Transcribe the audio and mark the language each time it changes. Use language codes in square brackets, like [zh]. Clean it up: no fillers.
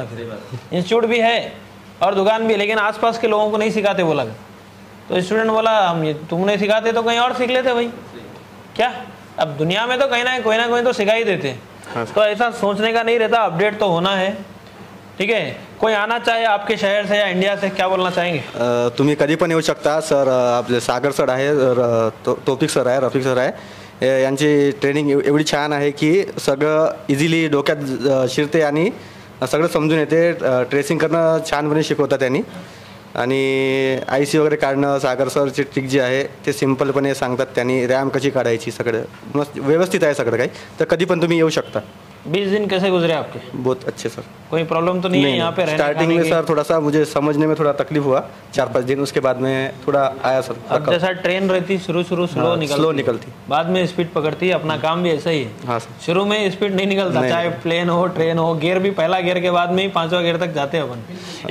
[hi] Institute भी है और दुकान भी, लेकिन आसपास के लोगों को नहीं सिखाते. बोला तो स्टूडेंट बोला हम ये तुमने सिखाते तो कहीं और सीख लेते भाई क्या. अब दुनिया में तो कहीं ना कोई तो सिखा ही देते. हाँ. तो ऐसा सोचने का नहीं रहता, अपडेट तो होना है. ठीक है, कोई आना चाहे आपके शहर से या इंडिया से, क्या बोलना चाहेंगे? [mr] तुम्हें कभी पण येऊ शकता सर. [hi] आप सागर सर है, [mr] टॉपिक सर है, रफिक सर है, यांची ट्रेनिंग एवढी छान है कि सगळं इजीली डोक्यात शिरते आणि सगळं समजून येते. ट्रेसिंग करणं छानपणे शिकवतात त्यांनी, आणि आई सी वगैरे काढणं सागर सरची ट्रिक जी आहे ते सिम्पलपणे सांगतात त्यांनी. रॅम कशी काढायची, सगळं मस्त व्यवस्थित आहे सगळं काही. तर कधी पण तुम्ही येऊ शकता. [hi] 20 दिन कसे गुजरे आपके? बहुत अच्छे सर, कोई प्रॉब्लम तो नहीं है यहाँ पे? स्टार्टिंग में सर थोड़ा सा मुझे समझने में थोड़ा तकलीफ हुआ 4-5 दिन, उसके बाद में थोड़ा आया सर. जैसा ट्रेन रहती शुरू स्लो निकलती, बाद में स्पीड पकड़ती. अपना काम भी ऐसा ही है. हाँ सर, शुरू में स्पीड नहीं निकलता, चाहे प्लेन हो ट्रेन हो, गियर भी पहला गियर के बाद में ही 5वां गियर तक जाते हैं अपन.